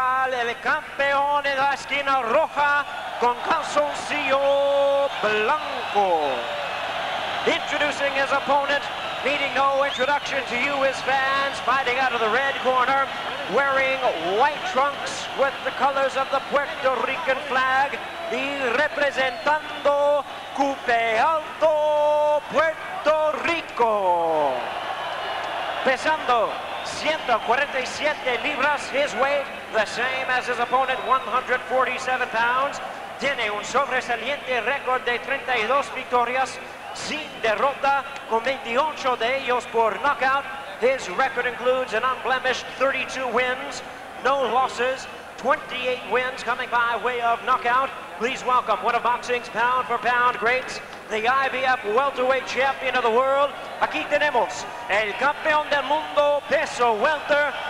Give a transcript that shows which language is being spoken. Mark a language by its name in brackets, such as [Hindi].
[Spanish] El campeón en la esquina roja con calzoncillo blanco. [English] Introducing his opponent, needing no introduction to you, his fans, fighting out of the red corner, wearing white trunks with the colors of the Puerto Rican flag, [Spanish] y representando Cupe Alto, Puerto Rico. Pesando 147 libras, [English] his weight, the same as his opponent, 147 pounds. [Spanish] Tiene un sobresaliente record de 32 victorias, sin derrota, con 28 de ellos por knockout. [English] His record includes an unblemished 32 wins, no losses, 28 wins coming by way of knockout. Please welcome one of boxing's pound-for-pound greats, the IBF welterweight champion of the world. [Spanish] Aquí tenemos el campeón del mundo peso welter.